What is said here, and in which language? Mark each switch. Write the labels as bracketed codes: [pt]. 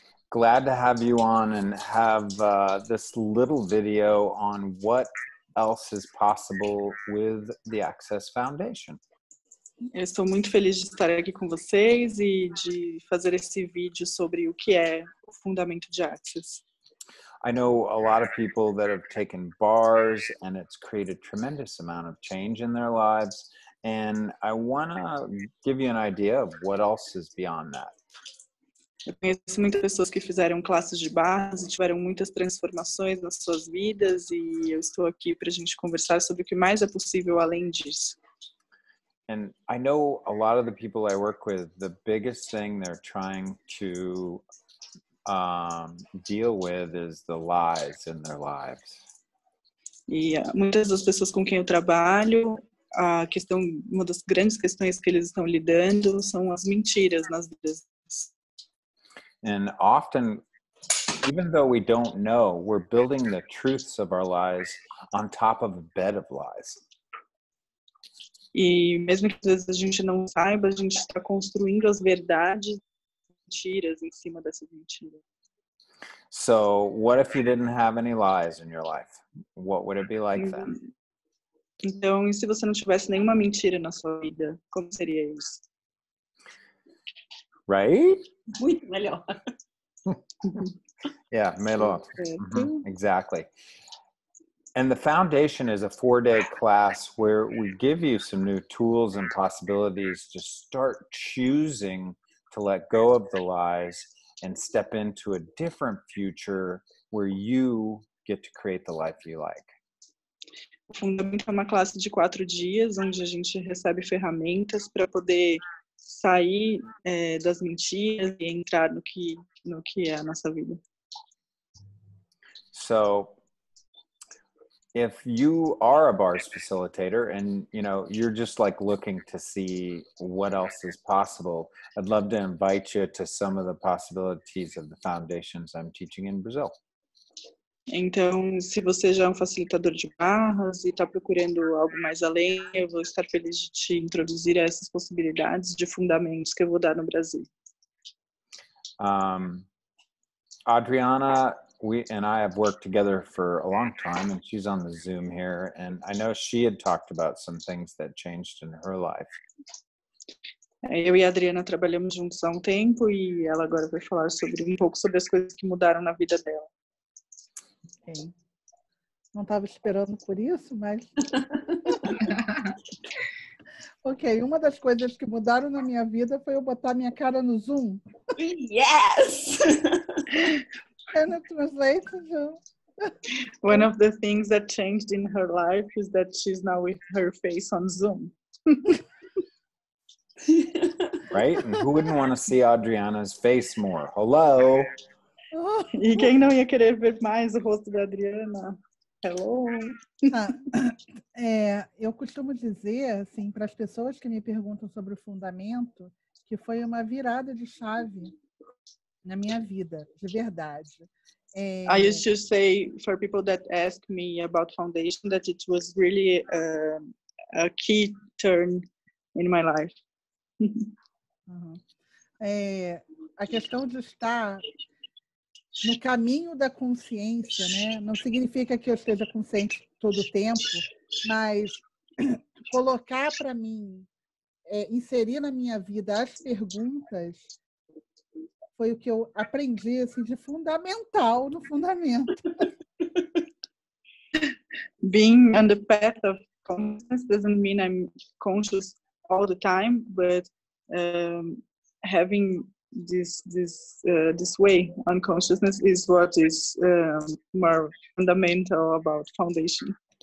[en] Glad to have you on and have this little video on what else is possible with the Access Foundation. [pt] Eu estou muito feliz de estar aqui com vocês e de fazer esse vídeo sobre o que é o fundamento de Access. [en] I know a lot of people that have taken bars and it's created a tremendous amount of change in their lives. And I want to give you an idea of what else is beyond that. [pt] Eu conheço muitas pessoas que fizeram classes de barras e tiveram muitas transformações nas suas vidas e eu estou aqui para a gente conversar sobre o que mais é possível além disso. [en] And I know a lot of the people I work with, the biggest thing they're trying to deal with is the lies in their lives. [pt] E muitas das pessoas com quem eu trabalho, a questão, uma das grandes questões que eles estão lidando são as mentiras nas vidas. [en] And often, even though we don't know, we're building the truths of our lies on top of a bed of lies. [pt] E mesmo que às vezes a gente não saiba, a gente está construindo as verdades, mentiras em cima dessas mentiras. [en] So, what if you didn't have any lies in your life? What would it be like then? [pt] Então, e se você não tivesse nenhuma mentira na sua vida, como seria isso? [en] Right? [pt] Muito melhor. [en] Yeah, melhor. Exactly. And the foundation is a 4-day class where we give you some new tools and possibilities to start choosing to let go of the lies and step into a different future where you get to create the life you like. [pt] O Fundamento é uma classe de 4 dias onde a gente recebe ferramentas para poder sair das mentiras e entrar no que é a nossa vida. [en] So, if you are a bars facilitator and you know you're just like looking to see what else is possible, I'd love to invite you to some of the possibilities of the foundations I'm teaching in Brazil. [pt] Então, se você já é um facilitador de barras e está procurando algo mais além, eu vou estar feliz de te introduzir a essas possibilidades de fundamentos que eu vou dar no Brasil. [en] Adriana, we and I have worked together for a long time, and she's on the Zoom here, and I know she had talked about some things that changed in her life. [pt] Eu e a Adriana trabalhamos juntos há um tempo, e ela agora vai falar sobre um pouco sobre as coisas que mudaram na vida dela. Okay. Não estava esperando por isso, mas... Ok, uma das coisas que mudaram na minha vida foi eu botar minha cara no Zoom. [en] Yes! And it translates, so... One of the things that changed in her life is that she's now with her face on Zoom. Right? And who wouldn't want to see Adriana's face more? Hello? [pt] E quem não ia querer ver mais o rosto da Adriana? [en] Hello! [pt] Ah, eu costumo dizer, assim, para as pessoas que me perguntam sobre o fundamento, que foi uma virada de chave na minha vida, de verdade. [en] I used to say, for people that ask me about foundation, that it was really a key turn in my life. [pt] A questão de estar no caminho da consciência, né? Não significa que eu esteja consciente todo o tempo, mas colocar para mim, inserir na minha vida as perguntas foi o que eu aprendi assim, de fundamental no fundamento. [en] Being on the path of consciousness doesn't mean I'm conscious all the time, but having this way on consciousness is what is more fundamental about foundation.